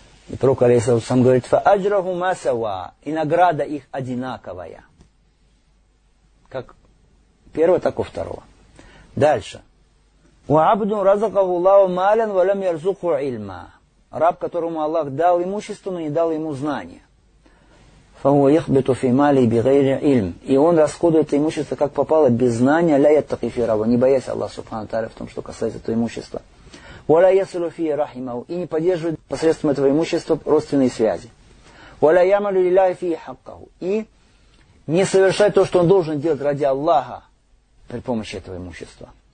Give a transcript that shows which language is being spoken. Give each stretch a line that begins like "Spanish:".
Russian: И пророк алейхиссалям говорит,
Arabic: «Фа аджраху масава»,
Russian: и награда их одинаковая. Как первое, так и второго. Дальше.
Arabic: «Ва абду разакаху Аллаху малян, ва лям ярзуку ильма».
Russian: Раб, которому Аллах дал имущество, но не дал ему знания.
Arabic: فهو يخبط في ماله بغير علم.
Russian: И он расходует имущество как попало без знания,
Arabic: لا يتقي في ربه,
Russian: не боясь Аллаха Субхана Тааля в том, что касается этого имущества.
Arabic: ولا يصل في رحمه,
Russian: и не поддерживает посредством этого имущества родственные связи.
Arabic: ولا يعمل لله في حقه,
Russian: и не совершает то, что он должен делать ради Аллаха при помощи этого имущества.